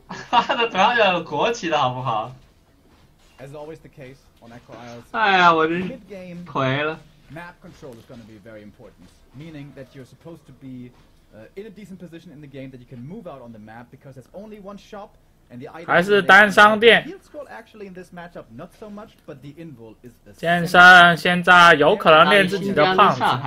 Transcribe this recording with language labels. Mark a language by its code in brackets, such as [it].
[zh] 他的头上有国旗的好不好？ [en] As always the case, on Echo Isles, [zh] 哎呀，我真是亏了。 [en] Map control is going to be very important, meaning that you're supposed to be in a decent position in the game that you can move out on the map because there's only one shop and the item. [zh] 还是单商店。 [en] Heal scroll actually in this matchup not so much, but the invul is. [zh] 先生，现在有可能练自己的胖子，